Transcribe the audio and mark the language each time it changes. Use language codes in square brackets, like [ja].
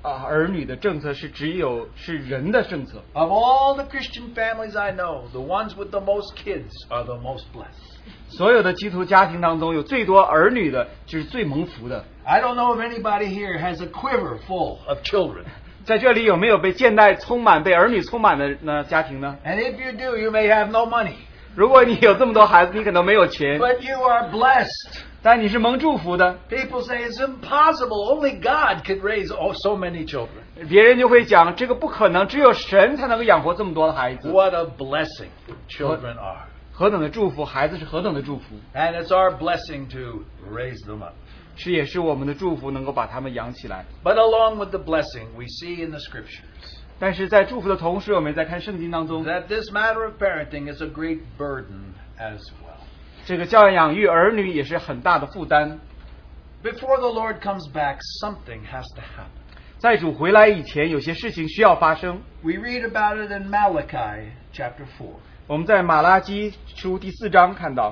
[zh] 你知道好像让只有一个儿女的政策是只有是人的政策。 [en] Of all the Christian families I know, the ones with the most kids are the most blessed. [zh] 所有的基督徒家庭当中有最多儿女的就是最蒙福的。 [en] I don't know if anybody here has a quiver full of children. [zh] 在这里有没有被箭袋充满被儿女充满的家庭呢? [en] And if you do, you may have no money. [zh] 如果你有这么多孩子,你可能没有钱。 [en] But you are blessed. [zh] 但你是蒙祝福的。 [en] People say it's impossible. Only God could raise so many children. [zh] 别人就会讲,这个不可能,只有神才能养活这么多的孩子。 [en] What a blessing children are. [zh] 何等的祝福,孩子是何等的祝福。 [en] And it's our blessing to raise them up. [zh] 是也是我们的祝福能够把他们养起来。 [en] But along with the blessing, we see in the scriptures, [zh] 但是在祝福的同时,我们在看圣经当中, [en] that this matter of parenting is a great burden as well. [zh] 这个教养育儿女也是很大的负担。 [en] Before the Lord comes back, something has to happen. [zh] 在主回来以前,有些事情需要发生。 [en] We read about it in Malachi chapter 4. [zh] 我们在马拉基书第四章看到,